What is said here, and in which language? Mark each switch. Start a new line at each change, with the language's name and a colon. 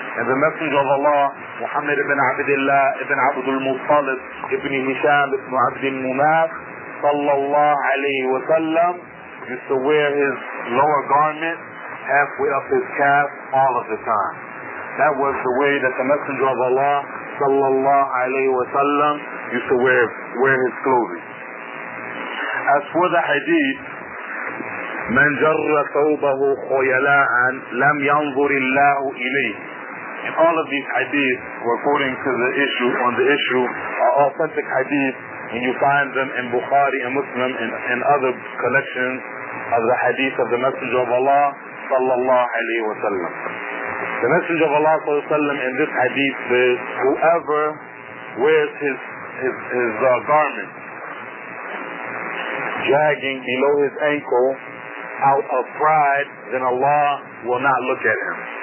English: And the Messenger of Allah, Muhammad ibn Abdullah ibn Abdul Muttalib ibn Hisham ibn Abdul Munaf sallallahu alayhi wa sallam, used to wear his lower garment halfway up his calf all of the time. That was the way that the Messenger of Allah sallallahu alayhi wa sallam used to wear his clothing. As for the hadith,
Arabic: من جر ثوبه خيلاء لم ينظر الله إليه.
English: In all of these hadith, according to the issue, on the issue, are authentic hadith, and you find them in Bukhari and Muslim and in other collections of the hadith of the Messenger of Allah sallallahu alayhi wa sallam. The Messenger of Allah sallallahu alayhi wa sallam in this hadith says, whoever wears his garment dragging below his ankle out of pride, then Allah will not look at him.